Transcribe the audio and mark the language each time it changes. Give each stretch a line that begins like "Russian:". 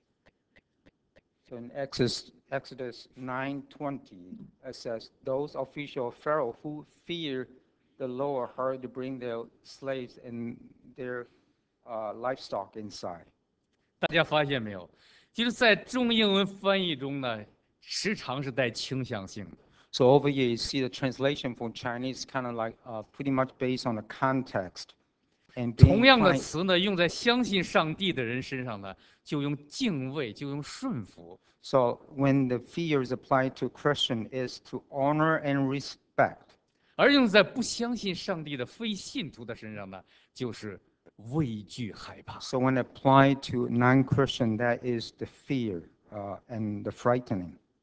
English: in Exodus 9:20, it says those official of Pharaoh who feared the Lord heard to bring their slaves and their livestock inside.
Chinese: 大家发现没有，就是在中英文翻译中呢。时常是带倾向性的。
English: So over here, you see the translation from Chinese kind of like pretty much based on the context. And
Chinese: 同样的词呢，用在相信上帝的人身上呢，就用敬畏，就用顺服。
English: So when the fear is applied to Christian, is to honor and respect.
Chinese: 而用在不相信上帝的非信徒的身上呢，就是畏惧害怕。
English: So when applied to non-Christian, that is the fear and the frightening.